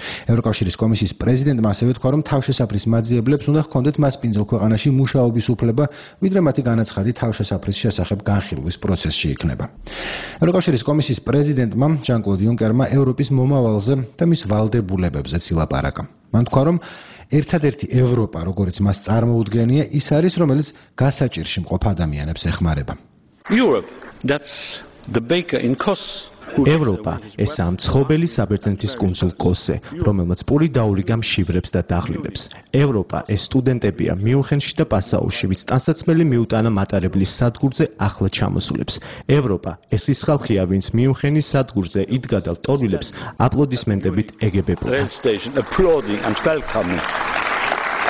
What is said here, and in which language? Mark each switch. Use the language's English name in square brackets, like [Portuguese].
[Georgian] ევროკავშირის კომისიის პრეზიდენტმა ასევე თქვა, რომ თავშესაფრის მაძიებლებს უნდა ჰქონდეთ მასპინძელ ქვეყანაში მუშაობის უფლება, ვიდრე მათი განაცხადი თავშესაფრის შესახებ განხილვის პროცესში იქნება. ევროკავშირის კომისიის პრეზიდენტმა ჟან-კლოდ იუნკერმა ევროპის მომავალზე და მის ვალდებულებებზე ცილაპარაკა. მან თქვა, რომ ერთადერთი ევროპა, როგორც მას წარმოუდგენია, ის არის, რომელიც გასაჭირში მყოფ ადამიანებს ეხმარება. [English] Europe, that's the baker in Kos. [Georgian] ევროპა, ეს ამ ცხობელი საბერძნეთის კუნძულ კოსე, რომელმაც პური დაურიგა მშივრებს და დაღლილებს. ევროპა, ეს სტუდენტებია მიუნხენში და პასაუში, ვის ტანსაცმელი მიუტანა მატარებლის სადგურზე ახლა ჩამოსულებს. ევროპა, ეს ის ხალხია, ვინც მიუნხენის სადგურზე იდგა და ლტოლვილებს აპლოდისმენტებით ეგებებოდა.